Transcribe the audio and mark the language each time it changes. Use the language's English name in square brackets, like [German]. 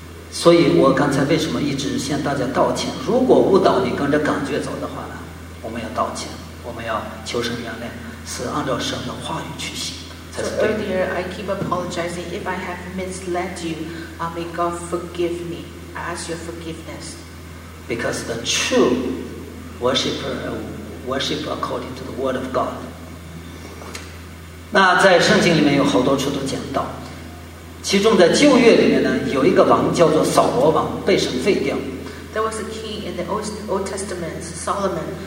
[Chinese] 所以我刚才为什么一直向大家道歉？如果误导你跟着感觉走的话呢？我们要道歉，我们要求神原谅，是按照神的话语去行才是对的。 [English] So earlier, I keep apologizing if I have misled you. May God forgive me. I ask your forgiveness. Because the true worshiper worship according to the word of God. [Chinese] 那在圣经里面有好多处都讲到，其中在旧约里面呢，有一个王叫做扫罗王，被神废掉。 [English] There was a king in the Old Testament, Solomon.